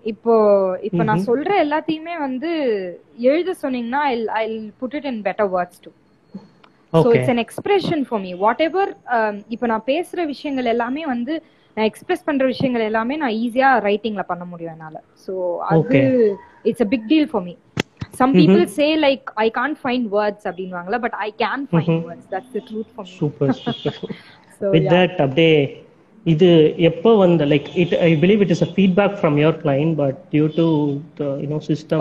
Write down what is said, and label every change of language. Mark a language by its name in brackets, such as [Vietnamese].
[Tamil] இப்போ நான் சொல்ற எல்லாத்தையுமே வந்து எழுத சொன்னீங்கன்னா [English] I put it in better words to. So it's an expression for me. [Tamil] What ever இப்போ நான் பேசுற விஷயங்கள் எல்லாமே வந்து நான் எக்ஸ்பிரஸ் பண்ற விஷயங்கள் எல்லாமே நான் ஈஸியா ரைட்டிங்ல பண்ண முடியும் என்னால. [English] So அது it's a big deal for me. Some people say like I can't find words அப்படிங்கறாங்கல, but I can find words. That's the truth for me. Super super. So with that [Tamil] அப்படியே இது எப்ப வந்த [English] like it I believe it is a feedback from your client, but due to the you know system